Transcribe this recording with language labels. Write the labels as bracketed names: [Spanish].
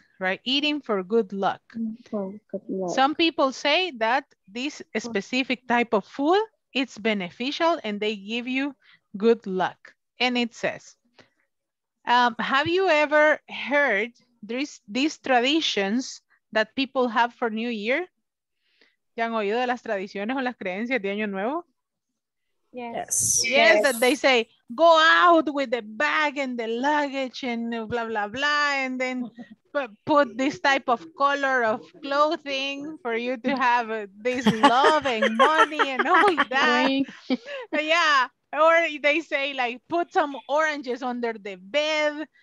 [English] Right, eating for good luck. Some people say that this specific type of food, it's beneficial and they give you good luck. And it says, have you ever heard these traditions that people have for New Year? [Spanish] ¿Ya han oído de las tradiciones o las creencias de Año Nuevo? [English] Yes. Yes, that they say, go out with the bag and the luggage and blah, blah, blah, and then put this type of color of clothing for you to have this love and money and all that. Yeah, or they say like, put some oranges under the bed